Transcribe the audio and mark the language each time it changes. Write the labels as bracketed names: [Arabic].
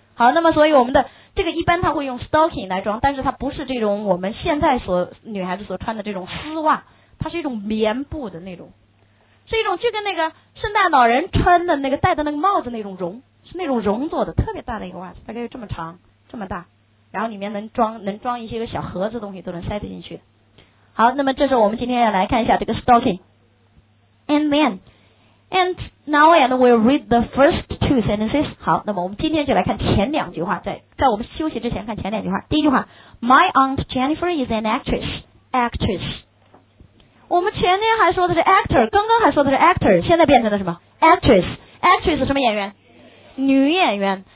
[Chinese] 好，那么所以我们的这个一般它会用 stocking 来装，但是它不是这种我们现在所女孩子所穿的这种丝袜，它是一种棉布的那种，是一种就跟那个圣诞老人穿的那个戴的那个帽子那种绒，是那种绒做的，特别大的一个袜子，大概有这么长这么大，然后里面能装一些个小盒子东西都能塞得进去。好，那么这是我们今天要来看一下这个 stocking。 [English] And now and we'll read the first two sentences. [Chinese] 好，那么我们今天就来看前两句话，在我们休息之前看前两句话。第一句话， [English] My aunt Jennifer is an actress. Actress. [Chinese] 我们前天还说的是 actor， 刚刚还说的是 actor， 现在变成了什么？ [English] Actress. Actress [Chinese] 什么演员？女演员。